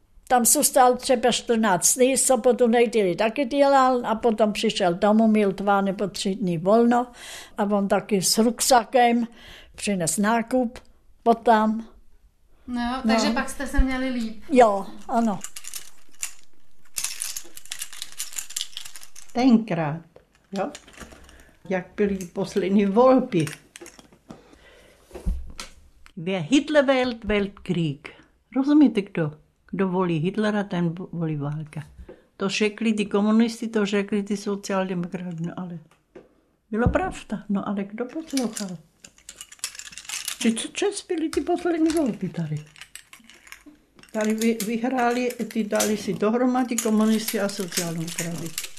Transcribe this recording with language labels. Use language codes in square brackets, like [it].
[cs] Tam zůstal třeba 14 dní, sobotu neděli taky dělal a potom přišel domů, měl 2 nebo 3 dny volno a on taky s ruksakem přines nákup potom. No, takže no. Pak jste se měli líp. Jo, ano. Tenkrát, jo, jak byly poslední volby. [de] Wer Hitler wählt, wählt Krieg. [cs] Rozumíte, kdo? Kdo volí Hitlera, ten volí válka. To řekli ty komunisti, to řekli ty sociáldemokrati, no ale bylo pravda. No ale kdo poslouchal? Co čas byly ty poslední volby tady? Tady vyhráli, ty dali si dohromady komunisti a sociální králi.